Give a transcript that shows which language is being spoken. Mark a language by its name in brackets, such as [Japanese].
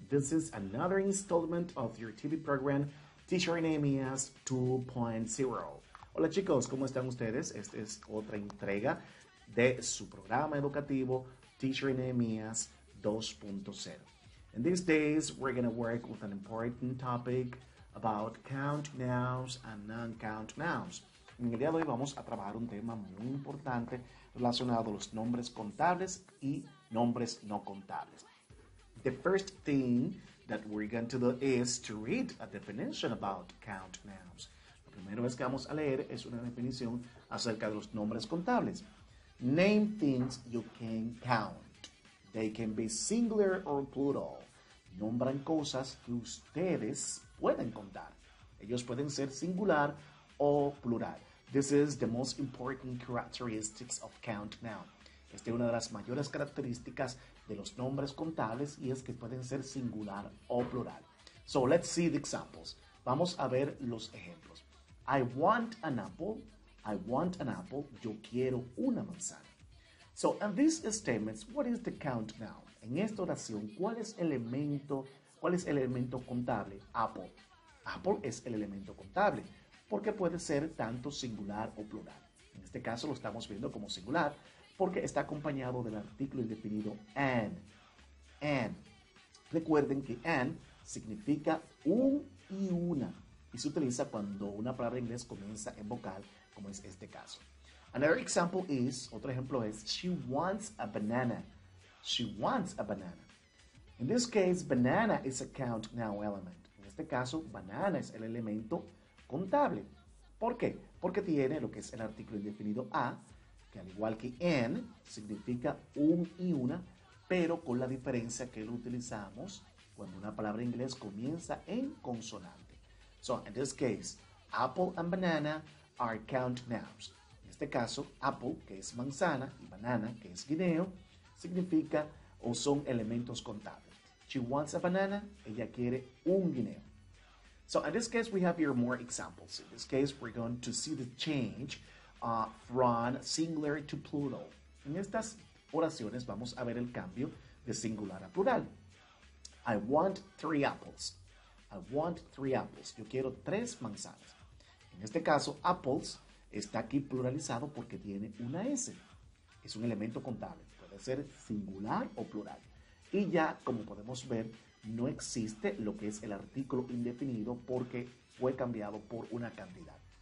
[English] This is another installment of your TV program, Teacher Nehemias 2.0. [Spanish] Hola chicos, ¿cómo están ustedes? Esta es otra entrega de su programa educativo, Teacher Nehemias 2.0. [English] In these days, we're going to work with an important topic about count nouns and non-count nouns. [Spanish] En el día de hoy vamos a trabajar un tema muy importante relacionado a los nombres contables y nombres no contables. [English] The first thing that we're going to do is to read a definition about count nouns. [Spanish] Lo primero es que vamos a leer es una definición acerca de los nombres contables. [English] Name things you can count. They can be singular or plural. [Spanish] Nombran cosas que ustedes pueden contar. Ellos pueden ser singular o plural. [English] This is the most important characteristics of count noun. [Spanish] Esta es una de las mayores características de los nombres contables y es que pueden ser singular o plural. [English] So let's see the examples. [Spanish] Vamos a ver los ejemplos. [English] I want an apple. I want an apple. [Spanish] Yo quiero una manzana. [English] So in these statements, what is the count noun? [Spanish] En esta oración, ¿cuál es el elemento contable? Apple. Apple es el elemento contable. Porque puede ser tanto singular o plural. En este caso lo estamos viendo como singular porque está acompañado del artículo indefinido an. An. Recuerden que an significa un y una y se utiliza cuando una palabra en inglés comienza en vocal, como es este caso. [English] Another example is, [Spanish] otro ejemplo es, [English] she wants a banana. She wants a banana. In this case, banana is a count noun element. [Spanish] En este caso, banana es el elemento contable. ¿Por qué? Porque tiene lo que es el artículo indefinido a, que al igual que an, significa un y una, pero con la diferencia que lo utilizamos cuando una palabra en inglés comienza en consonante. [English] So, in this case, apple and banana are count nouns. [Spanish] En este caso, apple, que es manzana, y banana, que es guineo, significa o son elementos contables. [English] She wants a banana, [Spanish] ella quiere un guineo. [English] So in this case, we have here more examples. In this case, we're going to see the change from singular to plural. [Spanish] En estas oraciones, vamos a ver el cambio de singular a plural. [English] I want three apples. I want three apples. [Spanish] Yo quiero tres manzanas. En este caso, apples está aquí pluralizado porque tiene una S. Es un elemento contable. Puede ser singular o plural. Y ya, como podemos ver, no existe lo que es el artículo indefinido porque fue cambiado por una cantidad.